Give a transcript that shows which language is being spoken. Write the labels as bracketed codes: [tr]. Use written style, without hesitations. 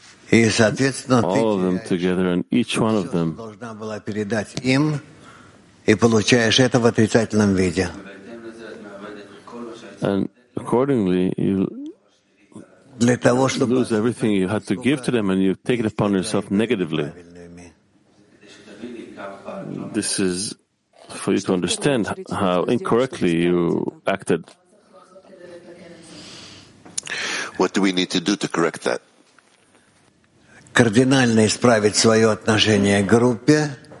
[en] All of them together and each one of them. [ru] И получаешь это в отрицательном виде. [en] And accordingly, you [ru] для того, чтобы [en] lose everything you had to give to them and you take it upon yourself negatively. This is for you to understand how incorrectly you acted. What do we need to do to correct that? [ru] Кардинально исправить свое отношение к группе.